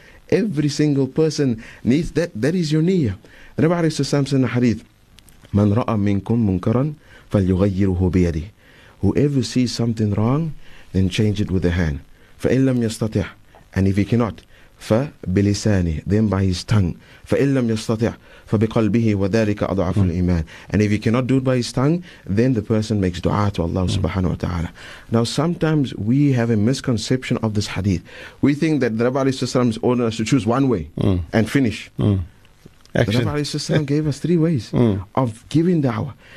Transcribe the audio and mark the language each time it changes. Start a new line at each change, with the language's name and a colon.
English: Every single person needs that. That is your niyyah. Rabbi alayhi salam said in the hadith,
Arabic: Man ra'a minkum munkaran falyughayyirhu biyadi.
English: Whoever sees something wrong, then change it with the hand.
Arabic: Fa'in lam yastati',
English: and if he cannot,
Arabic: فبلسانه,
English: then by his tongue.
Arabic: فإن لم يستطع فبقلبه وذلك أضعف الإيمان.
English: And if he cannot do it by his tongue, then the person makes dua to Allah subhanahu wa ta'ala. Now sometimes we have a misconception of this hadith. We think that the Rabbi alayhi sallam is ordering us to choose one way and finish. The Rabbi alayhi sallam gave us three ways of giving da'wah.